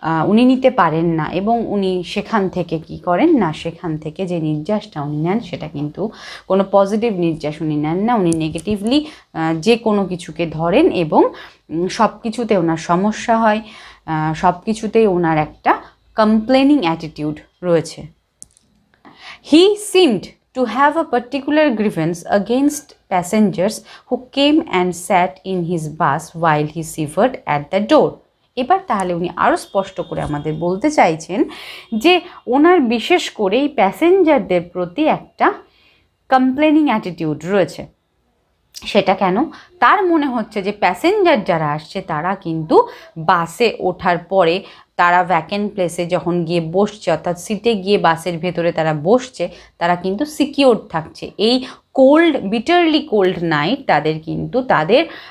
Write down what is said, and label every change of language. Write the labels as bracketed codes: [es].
[bn] উনি নিতে পারেন না, এবং উনি সেখান থেকে কী করেন না, সেখান থেকে যে নির্যাসটা উনি নেন সেটা কিন্তু কোনো পজিটিভ নির্যাস উনি নেন না, উনি নেগেটিভলি যে কোনো কিছুকে ধরেন, এবং সব কিছুতে ওনার সমস্যা হয়, সব কিছুতেই ওনার একটা কমপ্লেনিং অ্যাটিটিউড রয়েছে। [en] He seemed to have a particular grievance against passengers who came and sat in his bus while he shivered at the door. [bn] এবার তাহলে উনি আরো স্পষ্ট করে আমাদের বলতে চাইছেন যে ওনার বিশেষ করে এই প্যাসেঞ্জারদের প্রতি একটা কমপ্লেনিং অ্যাটিটিউড রয়েছে। সেটা কেন? তার মনে হচ্ছে যে প্যাসেঞ্জার যারা আসছে তারা কিন্তু বাসে ওঠার পরে, তারা ভ্যাকেন্ট প্লেসে যখন গিয়ে বসছে অর্থাৎ সিটে গিয়ে বাসের ভেতরে তারা বসছে, তারা কিন্তু সিকিওর থাকছে, এই কোল্ড বিটারলি কোল্ড নাইট তাদের কিন্তু তাদের